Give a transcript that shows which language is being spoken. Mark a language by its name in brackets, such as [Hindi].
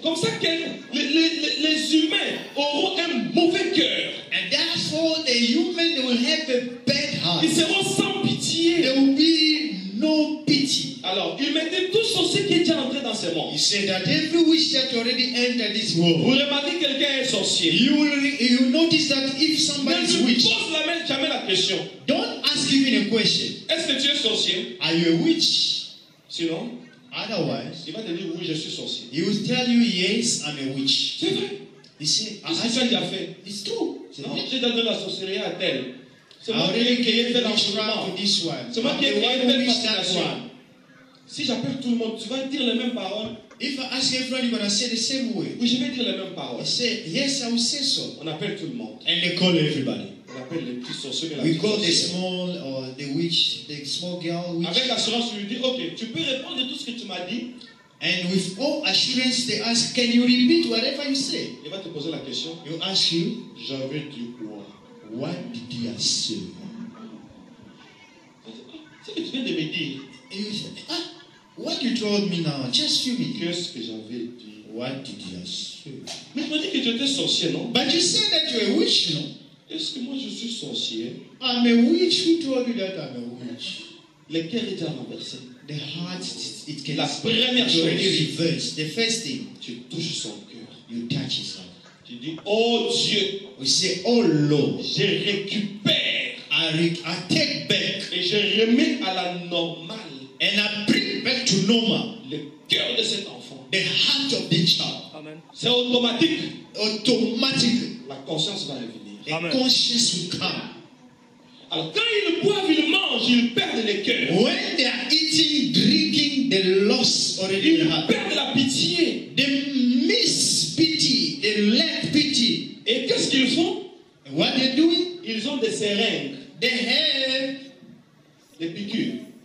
[French] Comme ça que les humains auront un mauvais cœur. [English] And therefore the human will have a bad heart. [French] Ils seront sans pitié. [English] There will be no pity. [French] Alors, il mettait tout sur ce qui est déjà entré dans ce monde. [English] He said that every witch that already entered this world. [French] Vous remarquez quelqu'un est sorcier. [English] You notice that if somebody is witch. [French] Ne pose jamais la question. [English] Don't ask even a question. [French] Est-ce que tu es sorcier? [English] Are you a witch? [French] Sinon, [English] otherwise, [French] il va te dire oui, je suis sorcier. [English] He will tell you yes, I'm a witch. [French] C'est vrai. [English] He said, [French] qu'est-ce que tu as fait? [English] It's true. [French] C'est vrai. J'ai donné la sorcellerie à tel. C'est moi qui ai fait l'enchantement. C'est moi qui ai fait l'enchantement. Si j'appelle tout le monde, tu vas dire les mêmes paroles. [English] If I ask everyone, you're gonna say the same way. [French] Oui, je vais dire les mêmes paroles. [English] I say, yes, I will say so. [French] On appelle tout le monde. [English] And they call everybody. [French] On appelle les petits sorciers. [English] We call the small or the witch, the small girl. Witch. [French] Avec assurance, tu lui dis, ok, tu peux répondre tout ce que tu m'as dit. [English] And with all assurance, they ask, can you repeat whatever you say? [French] Il va te poser la question. [English] He will ask you, [French] j'avais dit quoi? [English] What did you say? [French] C'est ce que tu viens de me dire. Et il dit, ah, [English] what you told me now, just few minutes. [French] Qu'est-ce que j'avais dit? [English] What did you say? [French] Mais tu m'as dit que tu étais sorcier, non? [English] But you said that you're a witch, non? [French] Est-ce que moi je suis sorcier? [English] I'm a witch, who told you that I'm a witch? [French] Le cœur est renversé. [English] The heart, it can [French] la première chose. [English] Be reversed. The first thing, [French] tu touches son cœur. [English] You touch his heart. [French] Tu dis, oh Dieu. [English] We say, oh Lord. [French] Je récupère. [English] I take back. [French] Et je remets à la normale. [English] And I bring back to normal [French] le cœur de cet enfant, [English] the heart of the child. [French] Amen. C'est automatique. Automatique. La conscience va revenir. [English] The conscience will come. [French] Alors quand ils boivent, ils mangent, ils perdent le cœur. [English] When they are eating, drinking, they lost already [French] ils [English] the heart. [French] Ils perdent la pitié. [English] They miss pity. They lack pity. [French] Et qu'est-ce qu'ils font? [English] What they doing? [French] Ils ont des seringues. [English] They have [French] des piqûres.